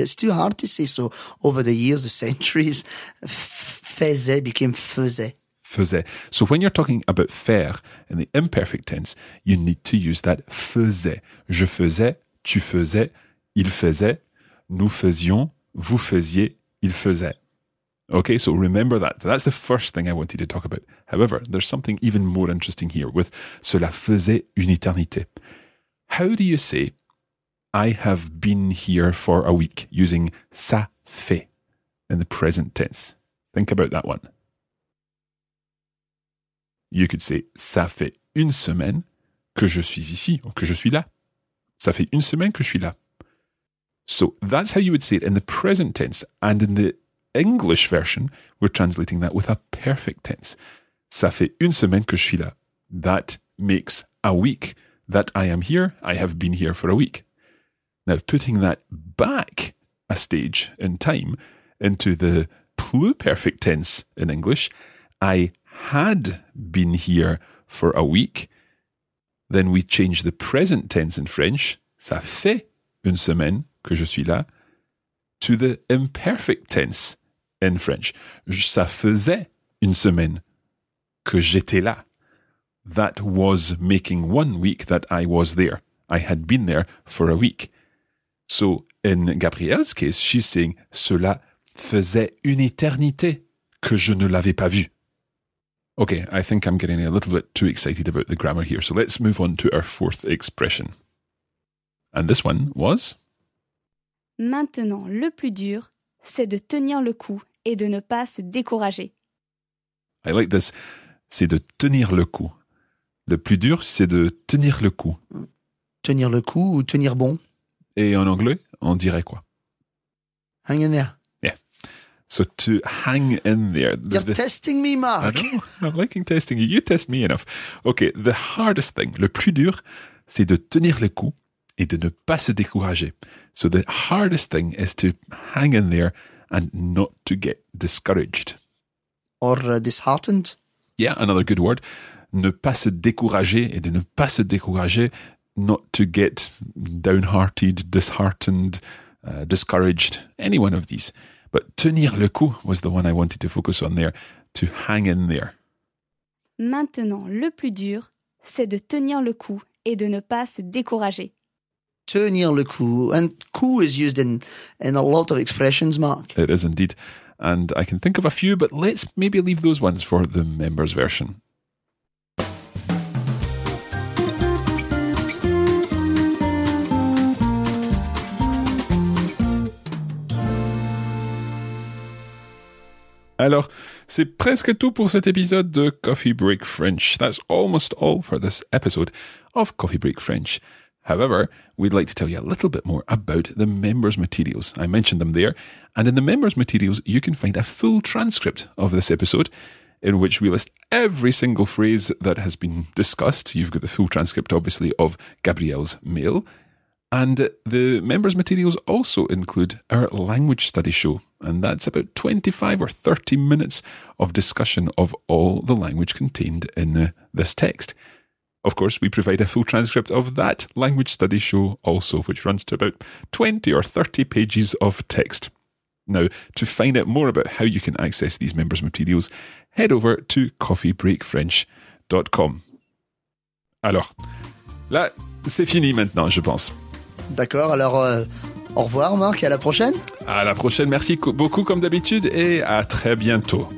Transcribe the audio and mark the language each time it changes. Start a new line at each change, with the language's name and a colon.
English: It's too hard to say. So, over the years, the centuries, faisait became faisait.
French: Faisait.
English: So, when you're talking about faire in the imperfect tense, you need to use that faisait.
French: Je faisais, tu faisais, il faisait, nous faisions, vous faisiez, il faisait.
English: Okay, so remember that. So that's the first thing I wanted to talk about. However, there's something even more interesting here with
French: cela faisait une éternité.
English: How do you say... I have been here for a week, using ça fait in the present tense. Think about that one. You could say,
French: ça fait une semaine que je suis ici, ou que je suis là. Ça fait une semaine que je suis là.
English: So that's how you would say it in the present tense. And in the English version, we're translating that with a perfect tense.
French: Ça fait une semaine que je suis là.
English: That makes a week that I am here. I have been here for a week. Now, putting that back a stage in time into the pluperfect tense in English, I had been here for a week. Then we change the present tense in French,
French: ça fait une semaine que je suis là, to the imperfect tense in French, ça faisait une semaine que j'étais là.
English: That was making 1 week that I was there. I had been there for a week. So in Gabrielle's case, she's saying,
French: cela faisait une éternité que je ne l'avais pas vu.
English: Okay, I think I'm getting a little bit too excited about the grammar here. So let's move on to our fourth expression. And this one was...
French: Maintenant, le plus dur, c'est de tenir le coup et de ne pas se décourager.
English: I like this.
French: C'est de tenir le coup. Le plus dur, c'est de tenir le coup. Tenir le coup ou tenir bon. Et en anglais, on dirait quoi?
English: Hang in there. Yeah. So to hang in there. You're testing me, Mark. I know. I'm liking testing you. You test me enough. Okay. The hardest thing,
French: le plus dur, c'est de tenir le coup et de ne pas se décourager.
English: So the hardest thing is to hang in there and not to get discouraged. Or disheartened. Yeah, another good word.
French: Ne pas se décourager
English: et de ne pas se décourager, not to get downhearted, disheartened, discouraged, any one of these. But
French: tenir le coup
English: was the one I wanted to focus on there, to hang in there.
French: Maintenant, le plus dur, c'est de tenir le coup et de ne pas se décourager. Tenir le coup,
English: and coup is used in a lot of expressions, Mark. It is indeed. And I can think of a few, but let's maybe leave those ones for the members' version.
French: Alors, c'est presque tout pour cet épisode de Coffee Break French.
English: That's almost all for this episode of Coffee Break French. However, we'd like to tell you a little bit more about the members' materials. I mentioned them there. And in the members' materials, you can find a full transcript of this episode in which we list every single phrase that has been discussed. You've got the full transcript, obviously, of Gabrielle's mail. And the members' materials also include our language study show. And that's about 25 or 30 minutes of discussion of all the language contained in this text. Of course, we provide a full transcript of that language study show also, which runs to about 20 or 30 pages of text. Now, to find out more about how you can access these members' materials, head over to coffeebreakfrench.com.
French: Alors, là, c'est fini maintenant, je pense. D'accord, alors au revoir, Marc, et à la prochaine. À la prochaine, merci beaucoup comme d'habitude et à très bientôt.